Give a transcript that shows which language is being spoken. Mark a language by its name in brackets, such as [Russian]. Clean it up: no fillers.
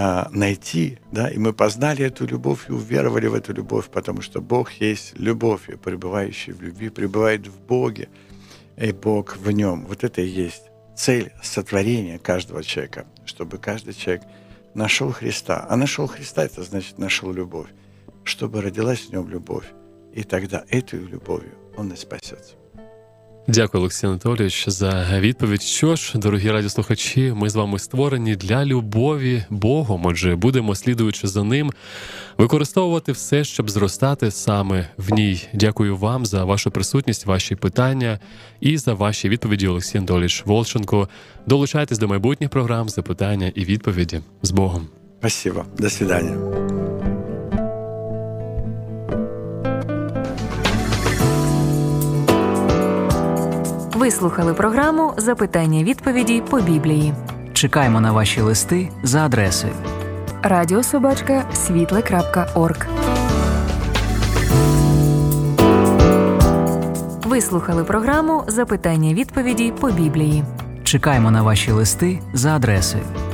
[Russian] найти, да, и мы познали эту любовь и уверовали в эту любовь, потому что Бог есть любовь, и пребывающий в любви пребывает в Боге, и Бог в нем. Вот это и есть цель сотворения каждого человека, чтобы каждый человек нашел Христа. А нашел Христа — это значит нашел любовь, чтобы родилась в нем любовь, и тогда этой любовью он и спасется. [Ukrainian] Дякую, Олексій Анатолійович, за відповідь. Що ж, дорогі радіослухачі, ми з вами створені для любові Богом, отже, будемо, слідуючи за ним, використовувати все, щоб зростати саме в ній. Дякую вам за вашу присутність, ваші питання і за ваші відповіді, Олексій Анатолійович Волченко. Долучайтесь до майбутніх програм, запитання і відповіді. З Богом! [Russian] Спасибо, до свидання. [Ukrainian] Ви слухали програму «Запитання-відповіді по Біблії». Чекаємо на ваші листи за адресою. radio@svitle.org Ви слухали програму «Запитання-відповіді по Біблії». Чекаємо на ваші листи за адресою.